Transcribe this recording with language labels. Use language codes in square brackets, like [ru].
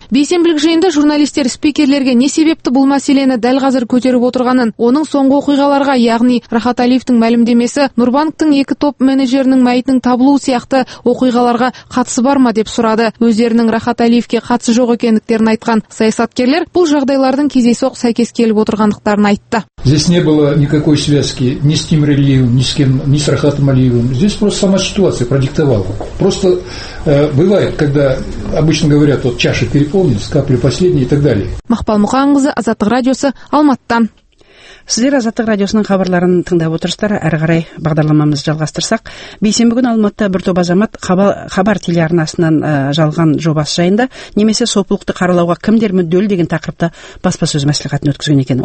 [kk] Бейсенбілік жиында журналистер спикерлерге не себепті бұл мәселені дәл қазір көтеріп отырғанын, оның соңғы оқиғаларға, яғни Рахат Алиевтің мәлімдемесі, Нұрбанктың екі топ менеджерінің мәйітінің табылуы сияқты оқиғаларға қатысы бар ма деп сұрады. Өздерінің Рахат Алиевке қатысы жоқ екендіктерін айтқан саясаткерлер бұл жағдайлардың кездейсоқ сәйкес келіп отырғандықтарын айтты. [ru] Здесь не было никакой связки ни с Тимиром Алиевым, ни с кем, ни с Рахатом Алиевым. Здесь просто сама ситуация продиктовала. Просто бывает, когда обычно говорят, вот чаша переполнится, капли последние и так далее. [kk] Мақпал Мұқанқызы, Азаттық радиосы, Алматыдан. Сіздер Азаттық радиосының хабарларын тыңдап отырсыздар. Әрі қарай бағдарламамызды жалғастырсақ, бейсенбі күні Алматыда бір топ азамат хабар телеарнасынан жалған жобасы жайында немесе сопылықты қаралауға кімдер мүдделі деген тақырыпта баспасөз мәслихатын өткізген екен.